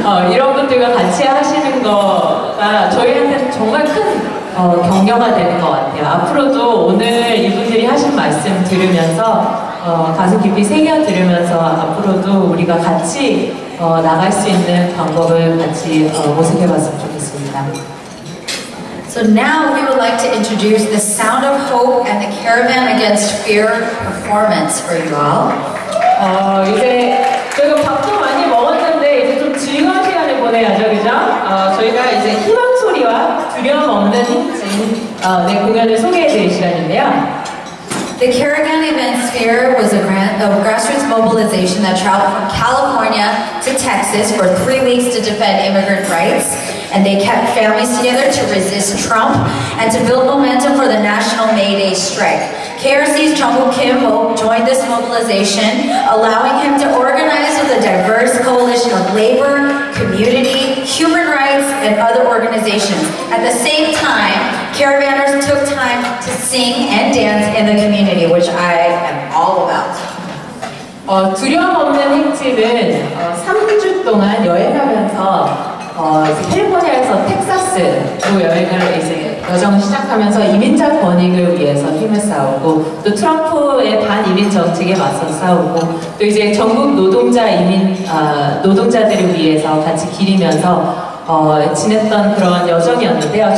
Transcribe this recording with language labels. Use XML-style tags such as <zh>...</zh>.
<ko>이런 분들과 같이 하시는 거가 저희한테는 정말 큰 격려가 되는 것 같아요. 앞으로도 오늘 이분들이 하신 말씀 들으면서 가슴 깊이 새겨 들으면서 앞으로도 우리가 같이 나갈 수 있는 방법을 같이 모색해 봤으면 좋겠습니다.</ko> <en>So now we would like to introduce the Sound of Hope and the Caravan Against Fear performance for you all.</en> <ko>이제 저희가 밥도 많이 먹었는데 이제 좀 즐거운 시간을 보내야죠, 그죠? 저희가 이제 희망 두려움 없는 힘진 공연을 소개해 드릴 시간인데요.</ko> <en>The Caravan Event Sphere was a grassroots mobilization that traveled from California to Texas for 3 weeks to defend immigrant rights. And they kept families together to resist Trump and to build momentum for the National May Day strike. KRC's Jungkook Kim joined this mobilization, allowing him to organize with a diverse coalition of labor, community, human rights, and other organizations. At the same time, caravanners took time to sing and dance in the community, which I am all about.</en> <ko>두려움 없는 행진은 3주 동안 여행하면서 캘리포니아에서 텍사스로 여행을 이제 여정을 시작하면서 이민자 권익을 위해서 힘을 싸우고 또 트럼프의 반이민 정책에 맞서 싸우고 또 이제 전국 노동자 이민 노동자들을 위해서 같이 기리면서 지냈던 그런 여정이었는데요.</ko>